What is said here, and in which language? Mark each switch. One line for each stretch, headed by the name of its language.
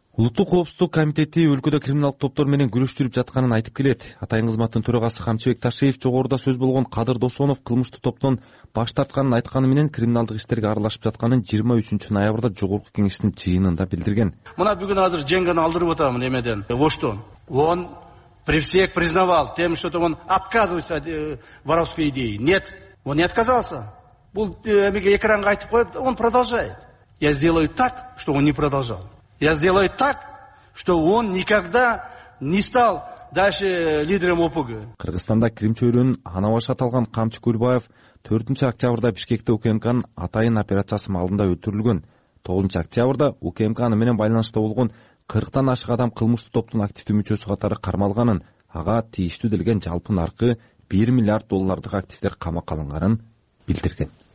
Kyrgyz: Улуттук коопсуздук комитети өлкөдө криминалдык топтор менен күрөш жүрүп жатканын айтып келет. Атайын кызматтын төрагасы Камчыбек Ташиев жогоруда сөз болгон Кадыр Досонов кылмыштуу топтон баш тартканын айтканы менен криминалдык иштерге аралашып жатканын 23 ноябрда Жогорку Кеңештин жыйынында билдирген. Мына бүгүн азыр Женганы алдырып атам эмеден Оштон.
Russian: Он при всех признавал тем, что он отказывается от воровской идеи. Нет, он не отказался.
Kyrgyz: Бул эмеге экранга айтып коюп,
Russian: он продолжает. Я сделаю так, что он не продолжал. Я сделаю так, что он никогда не стал дальше лидером ОПГ.
Kyrgyz: Кыргызстанда кримчөйрөнүн анабашы аталган Камчы Көлбаев 4 октябрда Бишкекте УКМКнын атайын операциясы маалында өлтүрүлгөн. 9 октябрда УКМК аны менен байланыштуу болгон 40 ашык адам кылмыштуу топтун активдүү мүчөсү катары кармалганын, ага тийиштүү делген жалпы наркы 1 миллиард доллардык активдер камакка алынганын билдирген.